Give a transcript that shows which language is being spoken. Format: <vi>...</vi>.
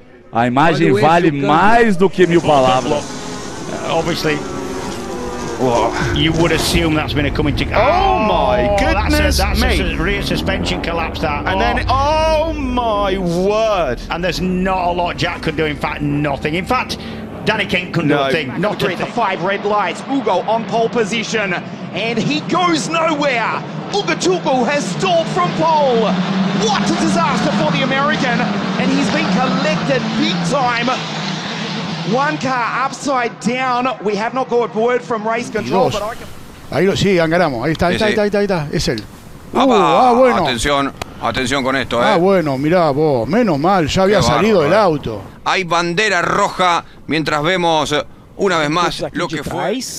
<pt>A imagem vale mais do que mil palavras.</pt> <en>Obviously. You would assume that's been a coming together. Oh my goodness, that's a rear suspension collapse. That, and then, oh my word! And there's not a lot Jack could do. In fact, nothing. In fact, Danny King couldn't do a thing. Not to the five red lights. Ugo on pole position, and he goes nowhere. Ugatugo has stalled from pole. What a disaster for the American, and he's been collected big time. One car upside down. We have not got word from race control, Dios.</en> <es>Ahí lo siguen, ganamos. Ahí está, ahí está, ahí está, ahí está. Es él. Bueno. Atención, atención con esto, Ah, bueno, mirá vos. Menos mal, ya había salido el auto. Hay bandera roja mientras vemos una vez más lo que fue.</es>